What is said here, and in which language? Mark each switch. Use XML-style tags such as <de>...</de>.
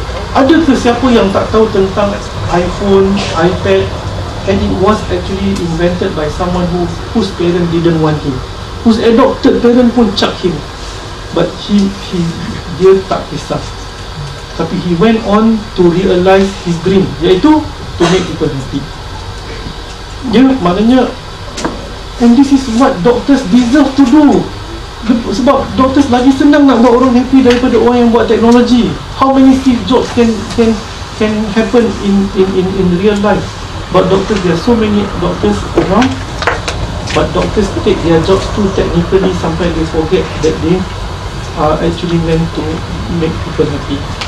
<ms>Ada ke siapa yang tak tahu tentang iPhone, iPad,</ms> <en>and it was actually invented by someone whose parent didn't want him, whose adopted parent pun chuck him, but he</en> <ms>dia tak kisah.</ms> <en>Tapi he went on to realize his dream, iaitu to make people happy.</en> <ms>Dia maknanya,</ms> <en>and this is what doctors deserve to do.</en> <ms>Sebab doktor lagi senang nak buat orang happy daripada orang yang buat teknologi.</ms> <en>How many Steve Jobs can happen in real life? But doctor, there are so many doctors around. But doctors take their jobs too technically sampai they forget that they are actually meant to make people happy.</en>